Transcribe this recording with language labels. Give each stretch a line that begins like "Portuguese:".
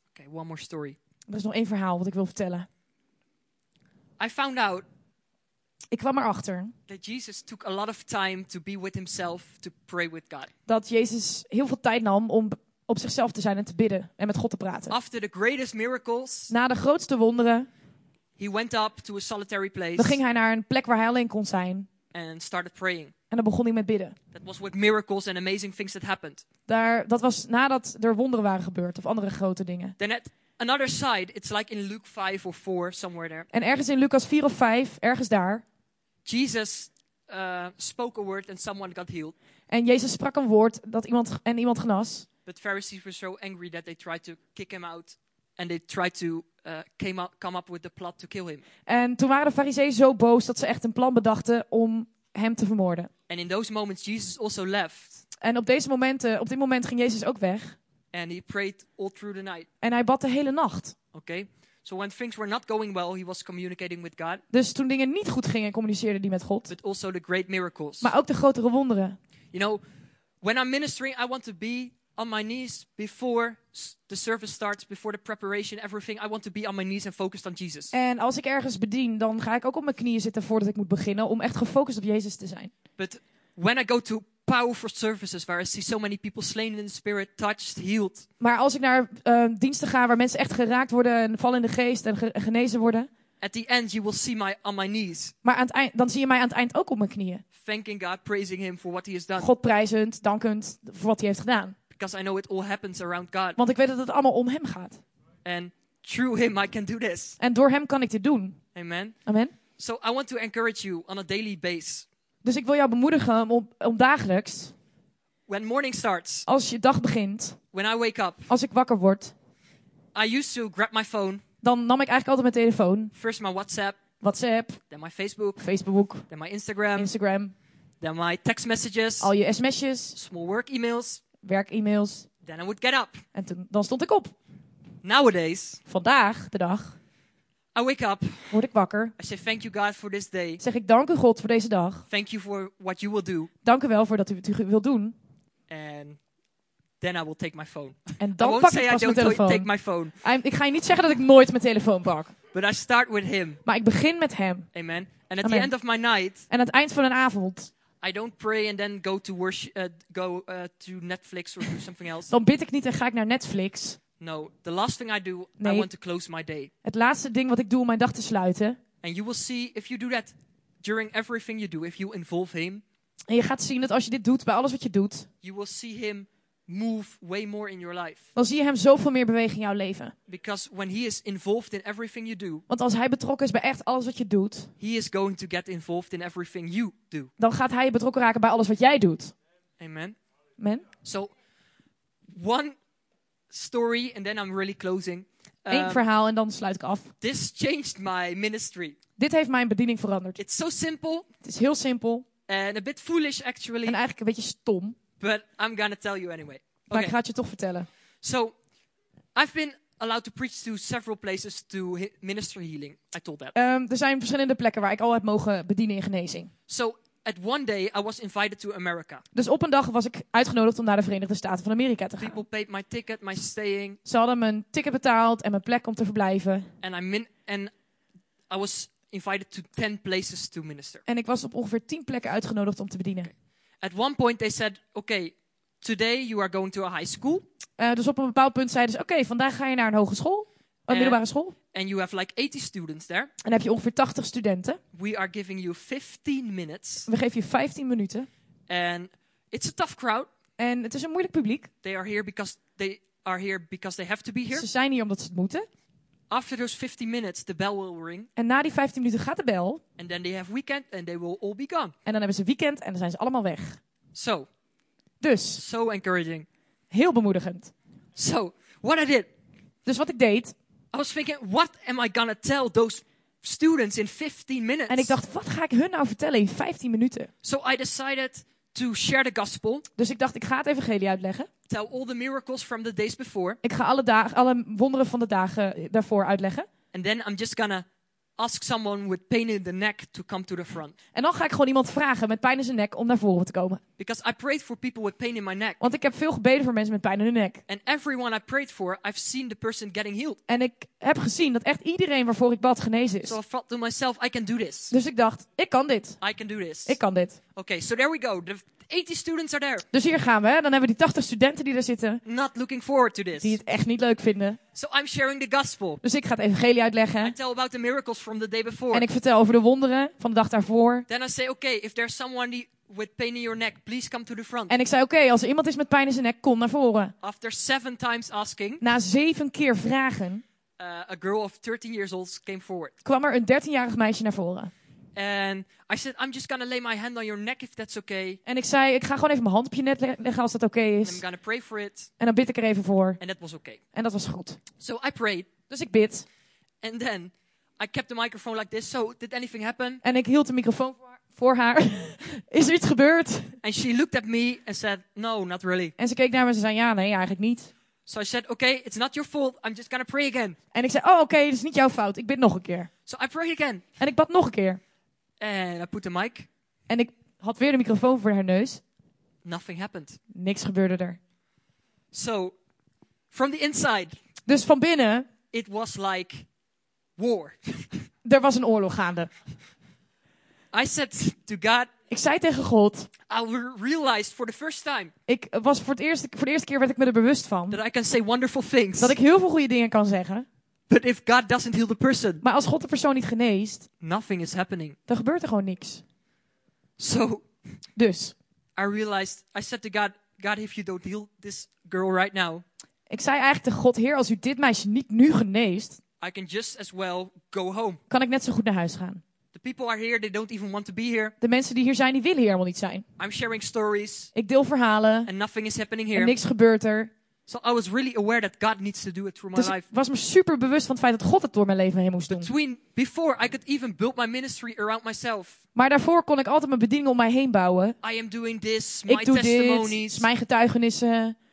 English: One more story.
Dutch: Er is nog één verhaal wat ik wil vertellen.
English: I found out.
Dutch: Ik kwam erachter.
English: That Jesus took a lot of time to be with himself, to pray with God.
Dutch: Dat Jezus heel veel tijd nam om op zichzelf te zijn en te bidden en met God te praten.
English: After the greatest miracles.
Dutch: Na de grootste wonderen.
English: He went up to a solitary place.
Dutch: Dan ging hij naar een plek waar hij alleen kon zijn.
English: And started praying.
Dutch: En dan begon hij met bidden.
English: That was with miracles and amazing things that happened.
Dutch: Dat was nadat er wonderen waren gebeurd of andere grote dingen.
English: Then at another side, it's like in Luke 5 or 4, somewhere there.
Dutch: En ergens in Lucas 4 of 5, ergens daar.
English: Jesus spoke a word and someone got healed.
Dutch: En Jezus sprak een woord dat iemand en iemand genas.
English: But Pharisees were so angry that they tried to kick him out. And they tried to come up with the plot to kill him.
Dutch: En toen waren de Farizeeën zo boos dat ze echt een plan bedachten om hem te vermoorden.
English: And in those moments Jesus also left.
Dutch: En op dit moment ging Jezus ook weg.
English: And he prayed all through the night.
Dutch: En hij bad de hele nacht.
English: Okay. So when things were not going well, he was communicating with God.
Dutch: Dus toen dingen niet goed gingen, communiceerde hij met God.
English: But also the great miracles.
Dutch: Maar ook de grotere wonderen.
English: You know, when I'm ministering, I want to be on my knees before the service starts, before the preparation, everything. I want to be on my knees and focused on Jesus.
Dutch: En als ik ergens bedien, dan ga ik ook op mijn knieën zitten voordat ik moet beginnen om echt gefocust op Jezus te zijn.
English: But when I go to powerful services where I see so many people slain in the spirit, touched, healed.
Dutch: Maar als ik naar diensten ga waar mensen echt geraakt worden en vallen in de geest en genezen worden.
English: At the end you will see my on my knees.
Dutch: Maar aan het eind, dan zie je mij aan het eind ook op mijn knieën.
English: Thanking God, praising him for what he has done.
Dutch: God prijzend, dankend voor wat hij heeft gedaan.
English: Because I know it all happens around God.
Dutch: Want ik weet dat het allemaal om hem gaat.
English: And through him I can do this.
Dutch: En door hem kan ik dit doen.
English: Amen.
Dutch: Amen.
English: So I want to encourage you on a daily basis.
Dutch: Dus ik wil jou bemoedigen om dagelijks.
English: When morning starts.
Dutch: Als je dag begint.
English: When I wake up.
Dutch: Als ik wakker word.
English: I used to grab my phone.
Dutch: Dan nam ik eigenlijk altijd mijn telefoon.
English: First my WhatsApp.
Dutch: WhatsApp.
English: Then my Facebook.
Dutch: Facebook.
English: Then my Instagram.
Dutch: Instagram.
English: Then my text messages.
Dutch: Al je sms'jes.
English: Small work emails.
Dutch: Werk e-mails.
English: Then I would get up.
Dutch: En toen, dan stond ik op.
English: Nowadays.
Dutch: Vandaag de dag.
English: I wake up.
Dutch: Word ik wakker.
English: I say thank you God for this day.
Dutch: Zeg ik dank u God voor deze dag.
English: Thank you for what you will do.
Dutch: Dank u wel voor dat u het wilt doen.
English: And then I will take my phone.
Dutch: En dan pak ik pas mijn telefoon.
English: Take my phone.
Dutch: Ik ga je niet zeggen dat ik nooit mijn telefoon pak.
English: But I start with him.
Dutch: Maar ik begin met hem.
English: Amen. And at Amen. The end of my night.
Dutch: En aan het eind van een avond.
English: I don't pray and then go to worship, go to Netflix or do something else.
Dutch: Dan bid ik niet en ga ik naar Netflix.
English: No, the last thing I do, nee. I want to close my day.
Dutch: Het laatste ding wat ik doe om mijn dag te sluiten.
English: And you will see if you do that during everything you do, if you involve him.
Dutch: En je gaat zien dat als je dit doet bij alles wat je doet.
English: You will see him move way more in your life.
Dutch: Dan zie je hem zoveel meer bewegen in jouw leven.
English: Because when he is involved in everything you do.
Dutch: Want als hij betrokken is bij echt alles wat je doet.
English: He is going to get involved in everything you do.
Dutch: Dan gaat hij betrokken raken bij alles wat jij doet.
English: Amen.
Dutch: Amen.
English: So, one story and then I'm really closing.
Dutch: Eén verhaal en dan sluit ik af.
English: This changed my ministry.
Dutch: Dit heeft mijn bediening veranderd.
English: It's so simple.
Dutch: Het is heel simpel.
English: And a bit foolish actually.
Dutch: En eigenlijk een beetje stom.
English: But I'm gonna tell you anyway. Okay.
Dutch: Maar ik ga het je toch vertellen.
English: So, I've been allowed to preach to several places to minister healing. I told that.
Dutch: Er zijn verschillende plekken waar ik al heb mogen bedienen in genezing.
English: So, at one day I was invited to America.
Dutch: Dus op een dag was ik uitgenodigd om naar de Verenigde Staten van Amerika te gaan.
English: People paid my ticket, my staying.
Dutch: Ze hadden mijn ticket betaald en mijn plek om te verblijven.
English: And I was invited to 10 places to minister.
Dutch: En ik was op ongeveer 10 plekken uitgenodigd om te bedienen.
English: Okay. At one point they said, okay, today you are going to a high school.
Dutch: Dus op een bepaald punt zeiden ze, okay, vandaag ga je naar een hogeschool, middelbare school.
English: And you have like 80 students there.
Dutch: En dan heb je ongeveer 80 studenten.
English: We are giving you 15 minutes.
Dutch: We geven je 15 minuten.
English: And it's a tough crowd.
Dutch: En het is een moeilijk publiek.
English: They are here because they have to be here.
Dutch: Ze zijn hier omdat ze het moeten.
English: After those 15 minutes, the bell will ring.
Dutch: En na die 15 minuten gaat de bel.
English: And then they have weekend and they will all be gone.
Dutch: En dan hebben ze weekend en dan zijn ze allemaal weg.
English: So.
Dutch: Dus.
English: So encouraging.
Dutch: Heel bemoedigend.
English: So, what I did.
Dutch: Dus wat ik deed.
English: I was thinking, what am I gonna tell those students in 15 minutes?
Dutch: En ik dacht, wat ga ik hun nou vertellen in 15 minuten?
English: So I decided to share the gospel.
Dutch: Dus ik dacht, ik ga het evangelie uitleggen.
English: Tell all the miracles from the days before.
Dutch: Ik ga alle wonderen van de dagen daarvoor uitleggen.
English: And then I'm just gonna ask someone with pain in the neck to come to the front.
Dutch: En dan ga ik gewoon iemand vragen met pijn in zijn nek om naar voren te komen.
English: Because I prayed for people with pain in my neck.
Dutch: Want ik heb veel gebeden voor mensen met pijn in hun nek.
English: And everyone I prayed for, I've seen the person getting healed.
Dutch: En ik heb gezien dat echt iedereen waarvoor ik bad genezen is.
English: So I thought to myself, I can do this.
Dutch: Dus ik dacht, ik kan dit.
English: I can do this.
Dutch: Ik kan dit.
English: Okay, so there we go. The 80 students are there.
Dutch: Dus hier gaan we. Dan hebben we die 80 studenten die er zitten.
English: Not looking forward to this.
Dutch: Die het echt niet leuk vinden.
English: So I'm sharing the gospel.
Dutch: Dus ik ga het evangelie uitleggen.
English: I tell about the miracles from the day before.
Dutch: En ik vertel over de wonderen van de dag daarvoor.
English: Then I say, okay, if there's someone with pain in your neck, please come to the front.
Dutch: En ik zei, okay, als er iemand is met pijn in zijn nek, kom naar voren.
English: After 7 times asking.
Dutch: Na 7 keer vragen.
English: A girl of 13 years old came forward.
Dutch: Kwam er een 13-jarig meisje naar voren.
English: And I said, I'm just gonna lay my hand on your neck if that's okay.
Dutch: En ik zei, ik ga gewoon even mijn hand op je nek leggen als dat okay is.
English: And I'm gonna pray for it.
Dutch: En dan bid ik er even voor.
English: And that was okay.
Dutch: En dat was goed.
English: So I prayed.
Dutch: Dus ik bid.
English: And then I kept the microphone like this. So did anything happen?
Dutch: En ik hield de microfoon voor haar. Is er iets gebeurd?
English: And she looked at me and said, no, not really.
Dutch: En ze keek naar me en ze zei, ja, nee, eigenlijk niet.
English: So I said, okay, it's not your fault. I'm just gonna pray again.
Dutch: En ik zei, oh, okay, het is niet jouw fout. Ik bid nog een keer.
English: So I prayed again.
Dutch: En ik bad nog een keer.
English: And I put the mic.
Dutch: En ik had weer de microfoon voor haar neus.
English: Nothing happened.
Dutch: Niks gebeurde er.
English: So, from the inside.
Dutch: Dus van binnen.
English: It was like war.
Dutch: Er was een oorlog gaande.
English: I said to God,
Dutch: Ik zei tegen God.
English: I realized for the first time.
Dutch: Ik was voor de eerste keer werd ik me er bewust van.
English: That I can say wonderful things.
Dutch: Dat ik heel veel goede dingen kan zeggen.
English: But if God doesn't heal the person.
Dutch: Maar als God de persoon niet geneest.
English: Nothing is happening.
Dutch: Dan gebeurt er gewoon niks.
English: So.
Dutch: Dus.
English: I realized. I said to God. God, if you don't heal this girl right now.
Dutch: Ik zei eigenlijk tegen God, Heer, als u dit meisje niet nu geneest.
English: I can just as well go home.
Dutch: Kan ik net zo goed naar huis gaan.
English: The people are here, they don't even want to be here.
Dutch: De mensen die hier zijn, die willen hier helemaal niet zijn.
English: I'm sharing stories.
Dutch: Ik deel verhalen.
English: And nothing is happening here.
Dutch: En niks gebeurt er.
English: So I was really aware that God needs to do it through my life.
Dutch: Dus ik was me super bewust van het feit dat God het door mijn leven heen moest doen.
English: Between before I could even build my ministry around myself.
Dutch: Maar daarvoor kon ik altijd mijn bediening om mij heen bouwen.
English: I am doing this,
Dutch: ik
English: my
Dutch: doe
English: testimonies,
Dutch: dit, mijn getuigenissen.